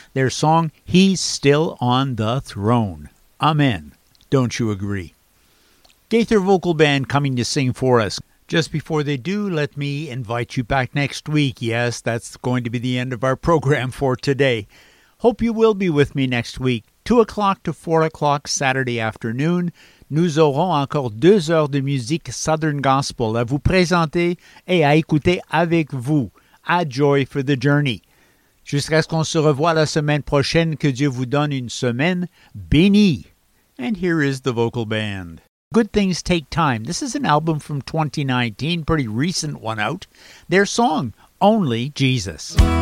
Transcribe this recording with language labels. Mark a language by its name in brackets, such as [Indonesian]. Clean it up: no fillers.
[English] Their song, He's Still on the Throne. Amen. Don't you agree? Gaither Vocal Band coming to sing for us. Just before they do, let me invite you back next week. Yes, that's going to be the end of our program for today. Hope you will be with me next week. 2 o'clock to 4 o'clock Saturday afternoon. [French] Nous aurons encore 2 heures de musique Southern Gospel à vous présenter et à écouter avec vous. [English] A joy for the journey. [French] Jusqu'à ce qu'on se revoie la semaine prochaine, que Dieu vous donne une semaine bénie. [English] And here is the vocal band. Good Things Take Time. This is an album from 2019, pretty recent one out. Their song, Only Jesus.